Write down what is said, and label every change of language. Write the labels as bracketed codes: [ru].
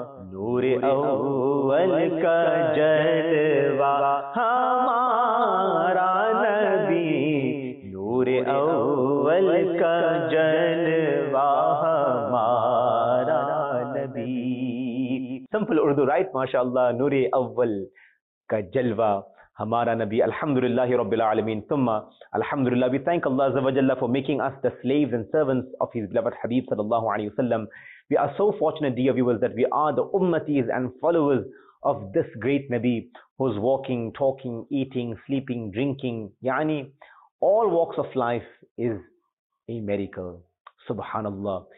[ur] noor e اول کا جلوہ ہمارا نبی, نور اول کا جلوہ ہمارا نبی. [en] Simple Urdu, right? ماشاء اللہ. [ur] نور اول کا جلوہ ہمارا نبی. [ar] الحمدللہ رب العالمین ثم الحمدللہ. [en] We thank Allah عز و جل for making us the slaves and servants of his beloved Habib [ar] صلی اللہ علیہ وسلم. [en] We are so fortunate, dear viewers, that we are the ummatis and followers of this great Nabi, who's walking, talking, eating, sleeping, drinking, yani all walks of life is a miracle. Subhanallah.